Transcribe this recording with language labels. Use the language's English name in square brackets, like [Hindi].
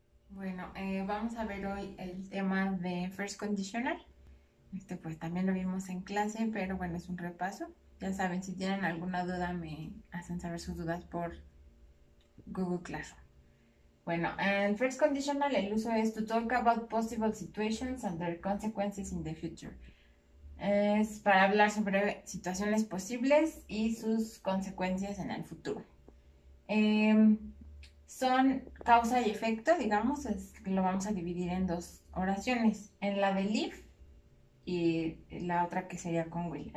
[Spanish] Bueno, vamos a ver hoy el tema de First Conditional. Este pues también lo vimos en clase, pero bueno, es un repaso. Ya saben, si tienen alguna duda, me hacen saber sus dudas por Google Classroom. Bueno, en First Conditional el uso es [English] to talk about possible situations and their consequences in the future. [Spanish] Es para hablar sobre situaciones posibles y sus consecuencias en el futuro. Son causa y efecto, digamos, lo vamos a dividir en dos oraciones, en la del if y la otra que sería con will.